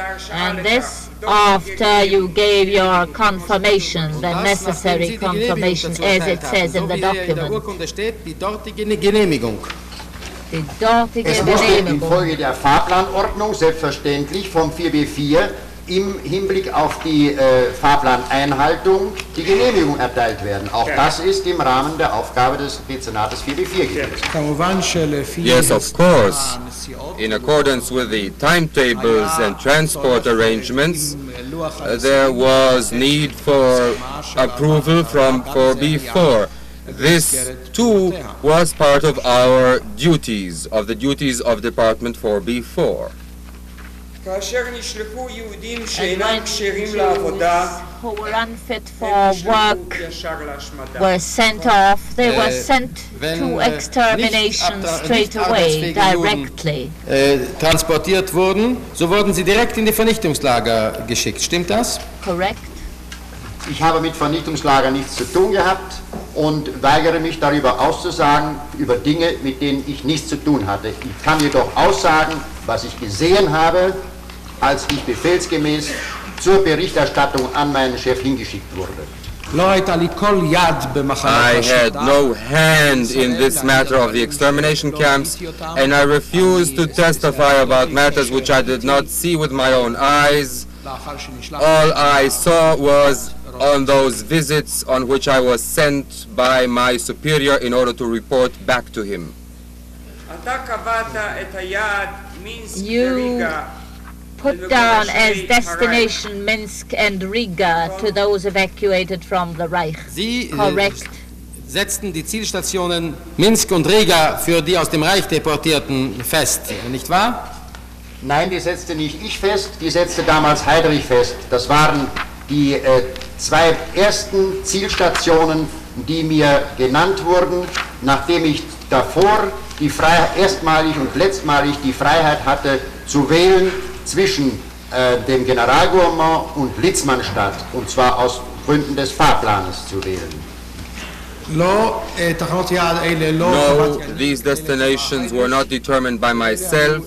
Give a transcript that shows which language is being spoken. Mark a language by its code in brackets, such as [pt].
[en] And this after you gave your confirmation, the necessary confirmation, as it says in the document. [de] Es musste infolge der Fahrplanordnung selbstverständlich vom 4B4 im Hinblick auf die Fahrplaneinhaltung die Genehmigung erteilt werden. Auch das ist im Rahmen der Aufgabe des Dezernates 4B4 gewesen. [en] Yes, of course. In accordance with the timetables and transport arrangements, there was need for approval from 4B4. This, too, was part of our duties, of the duties of Department 4B4. And when Jews who were unfit for work were sent off, they were sent to extermination straight away, directly. [de] Transportiert wurden, so wurden sie direkt in die Vernichtungslager geschickt. Stimmt das? [en] Correct. [de] Ich habe mit Vernichtungslager nichts zu tun gehabt und weigere mich darüber auszusagen, über Dinge, mit denen ich nichts zu tun hatte. Ich kann jedoch aussagen, was ich gesehen habe, als ich befehlsgemäß zur Berichterstattung an meinen Chef hingeschickt wurde. [en] I had no hand in this matter of the extermination camps, and I refuse to testify about matters which I did not see with my own eyes. All I saw was on those visits on which I was sent by my superior in order to report back to him. You put down as destination Minsk and Riga to those evacuated from the Reich. Correct. [de] Sie setzten die Zielstationen Minsk und Riga für die aus dem Reich Deportierten fest, nicht wahr? Nein, die setzte nicht ich fest, die setzte damals Heydrich fest. Das waren die zwei ersten Zielstationen, die mir genannt wurden, nachdem ich davor die erstmalig und letztmalig die Freiheit hatte, zu wählen zwischen dem Generalgouvernement und Litzmannstadt, und zwar aus Gründen des Fahrplanes zu wählen. [en] No, these destinations were not determined by myself.